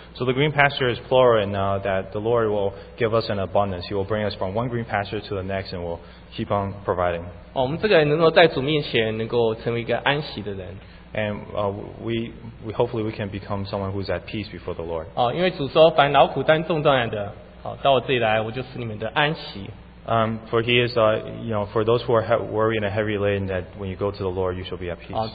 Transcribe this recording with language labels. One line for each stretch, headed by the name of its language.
English: So the green pasture is plural, and that the Lord will give us an abundance. He will bring us from one green pasture to the next, and will keep on providing.
Chinese: 哦，我们这个人能够在主面前能够成为一个安息的人。
English: And we hopefully we can become someone who's at peace before the Lord.
Chinese: 哦，因为主说，凡劳苦担重担的，好，到我这里来，我就使你们得安息。
English: For he is you know, for those who are worried and heavy laden, that when you go to the Lord, you shall be at peace.